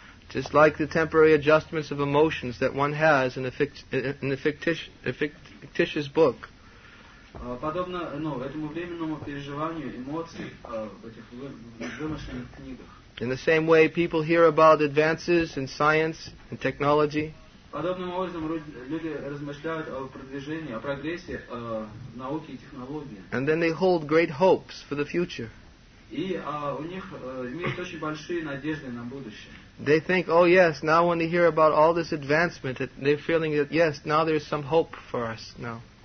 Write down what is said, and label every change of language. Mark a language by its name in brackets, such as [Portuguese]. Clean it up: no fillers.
[English] Just like the temporary adjustments of emotions that one has in a fictitious book. [Russian] Подобно, ну, этому временному переживанию эмоций в этих вымышленных книгах. [English] In the same way, people hear about advances in science and technology. [Russian] Подобным образом люди размышляют о продвижении, о прогрессе науки и технологии. [English] And then they hold great hopes for the future. [Russian] И у них имеют очень большие надежды на будущее. [English] They think, oh yes, now when they hear about all this advancement, that they're feeling that, yes, now there's some hope for us now.